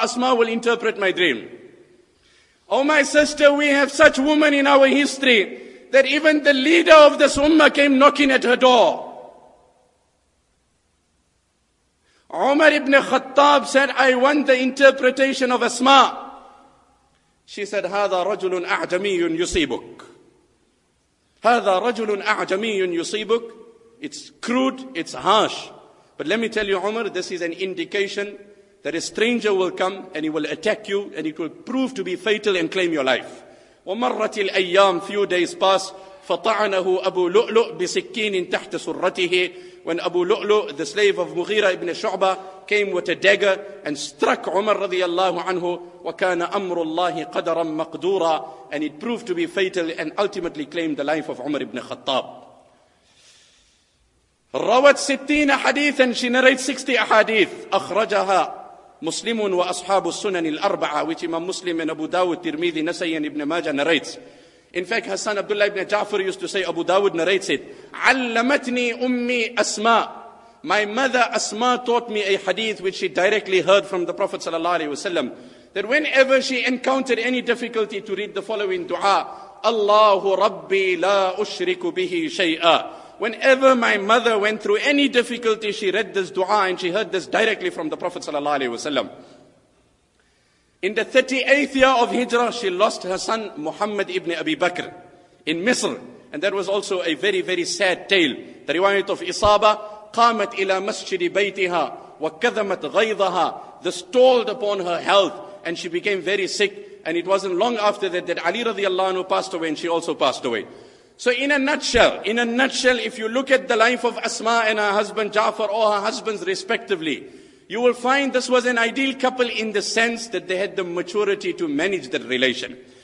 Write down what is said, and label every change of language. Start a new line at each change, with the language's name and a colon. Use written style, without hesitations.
English: Asma will interpret my dream. Oh my sister, we have such women in our history that even the leader of this ummah came knocking at her door. Umar ibn Khattab said, I want the interpretation of Asma. She said,
Arabic: هذا رجل أعجمي يصيبك. هذا رجل أعجمي يصيبك.
English: It's crude, it's harsh. But let me tell you, Umar, this is an indication that a stranger will come and he will attack you and it will prove to be fatal and claim your life.
Arabic: ومرت الأيام,
English: few days pass.
Arabic: فطعنه أبو لؤلؤ بسكين تحت سرته.
English: When Abu Lu'lu', the slave of Mughira ibn Shu'bah, came with a dagger and struck Umar radiallahu anhu,
Arabic: وَكَانَ أَمْرُ اللَّهِ قَدَرًا مَقْدُورًا,
English: and it proved to be fatal and ultimately claimed the life of Umar ibn Khattab.
Arabic: رَوَتْ سِتِّينَ حَدِيثًا,
English: she narrates 60
Arabic: أحاديث. أَخْرَجَهَا مُسْلِمٌ وَأَصْحَابُ السُّنَنِ الْأَرْبَعَةِ,
English: which Imam Muslim and Abu Dawud, Tirmidhi, Nasai and Ibn Majah narrates. In fact, Hassan Abdullah ibn Ja'far used to say, Abu Dawud narrates it,
Arabic: عَلَّمَتْنِي أُمِّي أَسْمَى.
English: My mother Asma taught me a hadith which she directly heard from the Prophet sallallahu alayhi wasallam, that whenever she encountered any difficulty to read the following dua,
Arabic: اللَّهُ رَبِّي لَا أُشْرِكُ بِهِ شَيْئًا.
English: Whenever my mother went through any difficulty, she read this dua and she heard this directly from the Prophet sallallahu alayhi wasallam. In the 38th year of Hijrah, she lost her son Muhammad ibn Abi Bakr in Misr. And that was also a very, very sad tale. The riwayat of Isaba,
Arabic: قامت إلى مسجد بيتها وكذمت غيظها.
English: This told upon her health and she became very sick. And it wasn't long after that that Ali radiallahu anhu passed away and she also passed away. So in a nutshell, if you look at the life of Asma and her husband Ja'far, or her husbands respectively, you will find this was an ideal couple in the sense that they had the maturity to manage that relation.